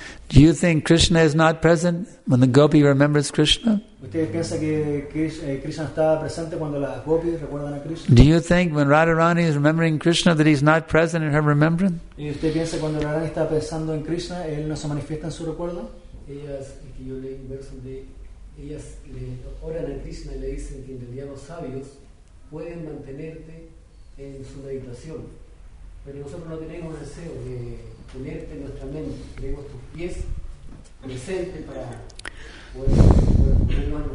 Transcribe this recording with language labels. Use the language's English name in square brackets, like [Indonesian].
[English] Do you think Krishna is not present when the gopi remembers Krishna? [Spanish] ¿Ustedes piensan que Krishna está presente cuando las gopis recuerdan a Krishna? [English] Do you think when Radharani is remembering Krishna that he's not present in her remembrance? [Spanish] ¿Y usted piensa cuando Radharani está pensando en Krishna, él no se manifiesta en su recuerdo? Ellas, que yo leí un verso de ellas le oran a Krishna y le dicen que en realidad los sabios pueden mantenerte en su meditación. Pero nosotros no tenemos el deseo de ponerte en nuestra mente, tenemos tus pies presentes para poder.